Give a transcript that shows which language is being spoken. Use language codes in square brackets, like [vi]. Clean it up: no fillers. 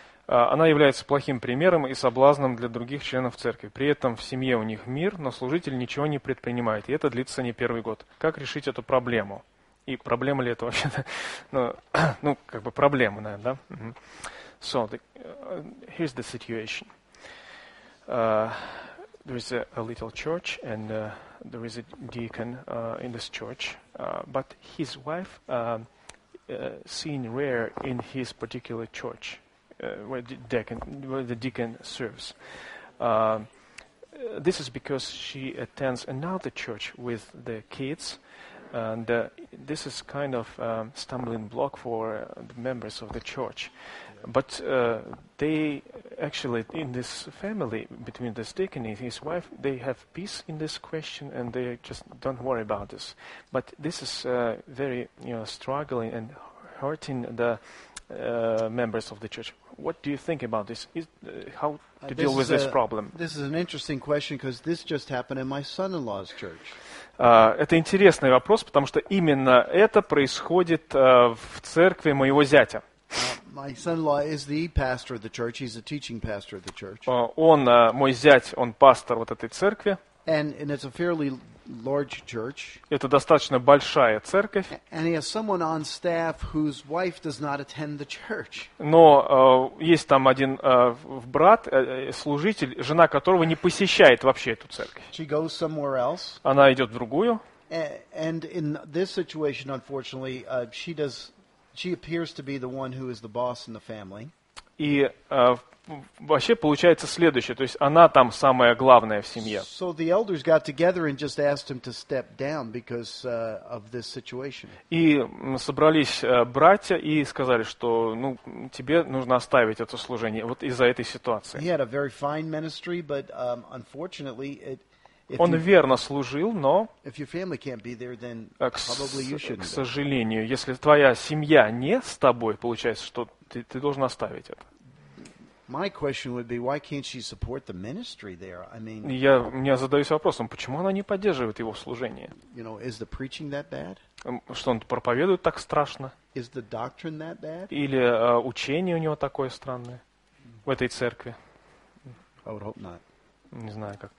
[ru] Она является плохим примером и соблазном для других членов церкви. При этом в семье у них мир, но служитель ничего не предпринимает. И это длится не первый год. Как решить эту проблему? И проблема ли это вообще-то? Ну, как бы проблема, наверное, да? [en] So, here's the situation. There is a little church, and there is a deacon in this church. But his wife seen rare in his particular church. Where the deacon serves. This is because she attends another church with the kids, and this is kind of a stumbling block for the members of the church. But they actually, in this family, between this deacon and his wife, they have peace in this question, and they just don't worry about this. But this is very, you know, struggling and hurting the members of the church. What do you think about this? How to deal with this problem? This is an interesting question because this just happened in my son-in-law's church. [ru] Это интересный вопрос, потому что именно это происходит в церкви моего зятя. [en] My son-in-law is the pastor of the church. He's a teaching pastor of the church. [ru] Мой зять, он пастор вот этой церкви. [en] And it's a fairly large church. [ru] Это достаточно большая церковь. [en] And he has someone on staff whose wife does not attend the church. [ru] Но есть там один брат, служитель, жена которого не посещает вообще эту церковь. [en] She goes somewhere else. [ru] Она идет в другую. [en] And in this situation, unfortunately, she appears to be the one who is the boss in the family. [ru] И вообще получается следующее, то есть она там самая главная в семье. [en] So the elders got together and just asked him to step down because of this situation. [ru] И собрались братья и сказали, что ну тебе нужно оставить это служение вот из-за этой ситуации. [en] He had a very fine ministry, but unfortunately it. [ru] Он верно служил, но, к сожалению, если твоя семья не с тобой, получается, что ты должен оставить это. [en] My question would be, why can't she support the ministry there? I mean, [ru] я задаюсь вопросом, почему она не поддерживает его служение? [en] You know, is the preaching that bad? [ru] Что он проповедует так страшно? [en] Is the doctrine that bad? [ru] Или учение у него такое странное в этой церкви? [en] I would hope not. [ru] не знаю как.